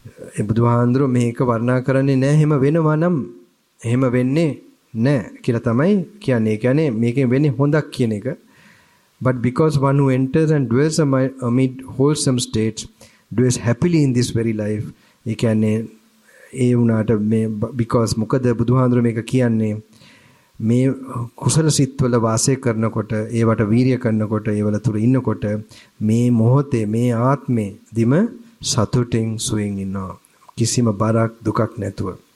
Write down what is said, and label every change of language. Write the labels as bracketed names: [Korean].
[Sinhala] ඒ බුදුහාඳුරෝ මේක වර්ණනා කරන්නේ නැහැ. එහෙම වෙනවා නම් එහෙම වෙන්නේ නැහැ කියලා තමයි කියන්නේ. ඒ කියන්නේ මේකෙන් වෙන්නේ හොඳක් කියන එක. [English] But because one who enters and dwells amid wholesome states dwells happily in this very life. [Sinhala] ඒ කියන්නේ ඒ වුණාට මේ because මොකද බුදුහාඳුරෝ මේක කියන්නේ මේ කුසල සිත්වල වාසය කරනකොට ඒවට වීරිය කරනකොට ඒවල තුර ඉන්නකොට මේ මොහොතේ මේ ආත්මේ දිම සතුටින් සුවෙන් ඉන්නවා කිසිම බරක් දුකක් නැතුව